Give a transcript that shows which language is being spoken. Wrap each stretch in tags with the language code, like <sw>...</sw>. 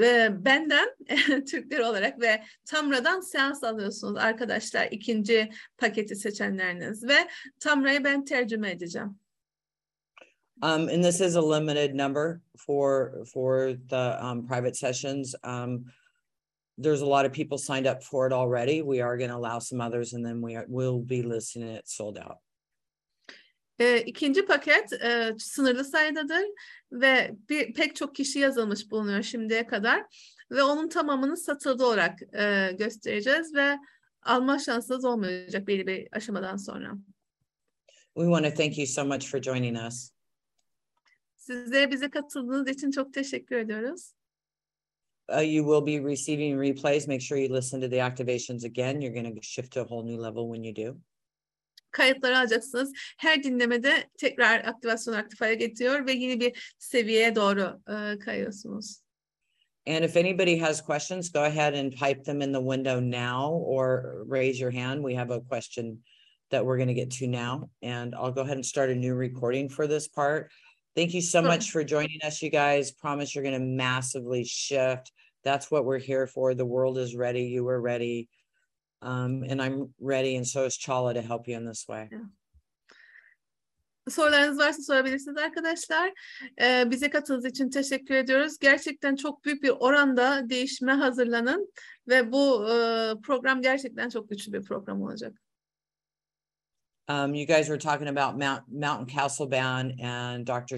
<tr>Benden Türkler olarak ve Tamra'dan seans alıyorsunuz arkadaşlar, ikinci paketi seçenleriniz ve Tamra'yı ben tercüme edeceğim.</tr> <en>And this is a limited number for the private sessions. There's a lot of people signed up for it already. We are going to allow some others and then we'll be listing it sold out.</en> <tr>İkinci paket sınırlı sayıdadır ve pek çok kişi yazılmış bulunuyor şimdiye kadar ve onun tamamını satıldı olarak göstereceğiz ve alma şansınız olmayacak belli bir aşamadan sonra.</tr> <en>We want to thank you so much for joining us.</en> <tr>Sizlere bize katıldığınız için çok teşekkür ediyoruz.</tr> <en>You will be receiving replays. Make sure you listen to the activations again. You're going to shift to a whole new level when you do.</en> <tr>Kayıtları alacaksınız. Her dinlemede tekrar aktivasyon aktifaya getiriyor ve yeni bir seviyeye doğru kayıyorsunuz.</tr> <en>And if anybody has questions, go ahead and type them in the window now or raise your hand. We have a question that we're going to get to now. And I'll go ahead and start a new recording for this part. Thank you so much for joining us, you guys. Promise you're going to massively shift. That's what we're here for. The world is ready. You are ready. And I'm ready, and so is Çağla to help you in this way.</en> <tr>Yeah. Sorularınız varsa sorabilirsiniz arkadaşlar. Bize katıldığınız için teşekkür ediyoruz. Gerçekten çok büyük bir oranda değişime hazırlanın ve bu program gerçekten çok güçlü bir program olacak.</tr> <en>You guys were talking about Mountain Castleban and Dr.</en>